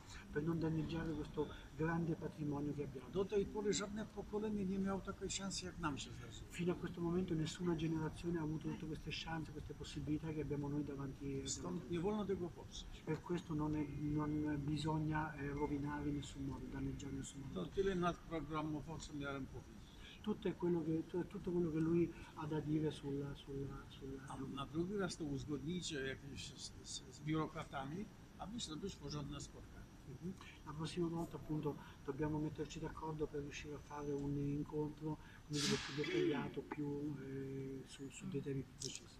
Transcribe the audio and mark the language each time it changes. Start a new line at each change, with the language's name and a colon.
Italian: Per non danneggiare questo grande patrimonio che abbiamo.
Polish: Do tej pory żadne pokolenie nie miało takiej szansy jak nam się zrozumiało.
Italian: Fino a questo momento nessuna generazione ha avuto tutte queste chance, queste possibilità che abbiamo noi davanti.
Polish: Stąd nie wolno tego popsuć.
Italian: Per questo non bisogna rovinare in nessun modo, danneggiare in nessun modo.
Polish: To tyle nad programowo, co miałem powiedzieć.
Italian: Tutto quello che lui ha da dire sulla...
Polish: Na drugi raz to uzgodnijcie jakimś z biurokratami, aby zrobić porządne spotkanie.
Italian: La prossima volta appunto dobbiamo metterci d'accordo per riuscire a fare un incontro più dettagliato, più su dei temi più precisi.